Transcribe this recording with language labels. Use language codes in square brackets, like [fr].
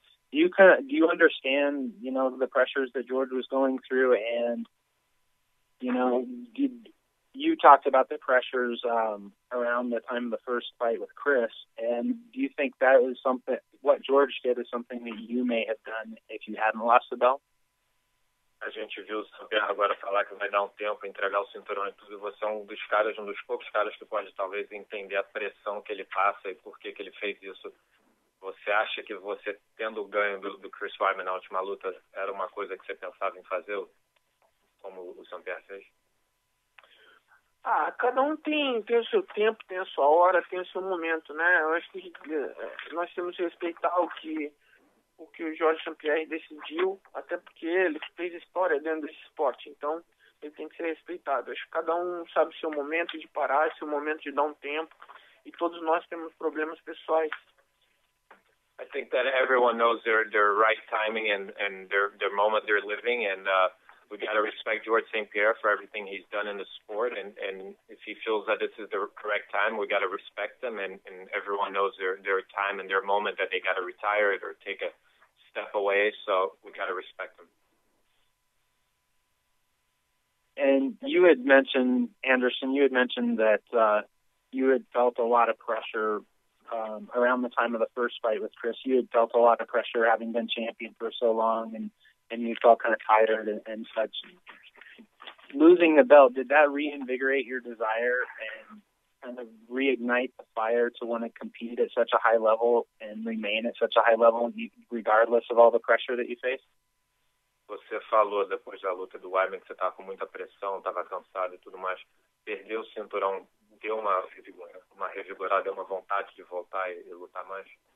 [en] Do you understand, you know, the pressures that George was going through? And, you know, you talked about the pressures around the time of the first fight with Chris, and do you think that was something, what George did is something that you may have done if you hadn't lost the belt? [pt] A gente viu o Santos agora falar que vai dar um tempo, entregar o cinturão e tudo. Você é um dos poucos caras que pode talvez entender a pressão que ele passa e por que que ele fez isso. Você acha que você, tendo o ganho do Chris Weidman na última luta, era uma coisa que você pensava em fazer, como o Santos fez? Ah, cada um tem o seu tempo, tem a sua hora, tem o seu momento, né? Eu acho que nós temos que respeitar o que o Jorge St-Pierre decidiu, até porque ele fez história dentro desse esporte, então ele tem que ser respeitado. Acho que cada um sabe o seu momento de parar, seu momento de dar um tempo, e todos nós temos problemas pessoais. [en] I think that everyone knows their right timing and their moment they're living, and we got to respect George St-Pierre for everything he's done in the sport, and if he feels that this is the correct time, we got to respect them, and everyone knows their time and their moment that they got to retire it or take a step away, so we got to respect them. And you had mentioned, Anderson, you had mentioned that you had felt a lot of pressure around the time of the first fight with Chris. You had felt a lot of pressure having been champion for so long, and you felt kind of tired and such. Losing the belt, did that reinvigorate your desire and kind of reignite the fire to want to compete at such a high level and remain at such a high level regardless of all the pressure that you face? [pt] Você falou depois da luta do Weidman que você estava com muita pressão, estava cansado e tudo mais. Perdeu o cinturão, deu uma revigorada, deu uma vontade de voltar e lutar mais?